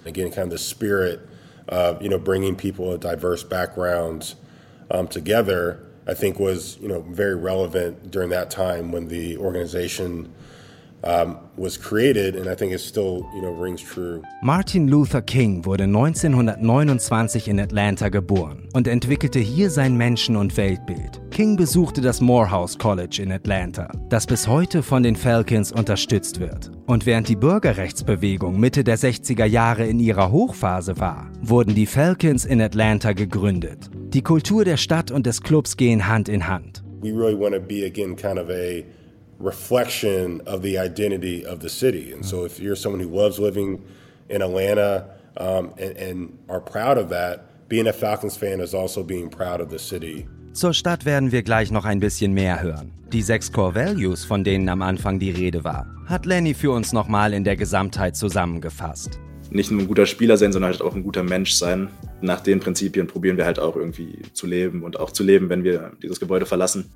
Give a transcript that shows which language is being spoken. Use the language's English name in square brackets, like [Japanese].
[English] Again, kind of the spirit of, you know, bringing people of diverse backgrounds together, I think was, you know, very relevant during that time when the organization was created, and I think it still, you know, rings true. [German] Martin Luther King wurde 1929 in Atlanta geboren und entwickelte hier sein Menschen- und Weltbild. King besuchte das Morehouse College in Atlanta, das bis heute von den Falcons unterstützt wird. Und während die Bürgerrechtsbewegung Mitte der 60er Jahre in ihrer Hochphase war, wurden die Falcons in Atlanta gegründet. Die Kultur der Stadt und des Clubs gehen Hand in Hand. [English] We really want to be again kind of a reflection of the identity of the city. And so if you're someone who loves living in Atlanta and are proud of that, being a Falcons fan is also being proud of the city. [German] Zur Stadt werden wir gleich noch ein bisschen mehr hören. Die sechs Core Values, von denen am Anfang die Rede war, hat Lenny für uns nochmal in der Gesamtheit zusammengefasst. Nicht nur ein guter Spieler sein, sondern halt auch ein guter Mensch sein. Nach den Prinzipien probieren wir halt auch irgendwie zu leben und auch zu leben, wenn wir dieses Gebäude verlassen.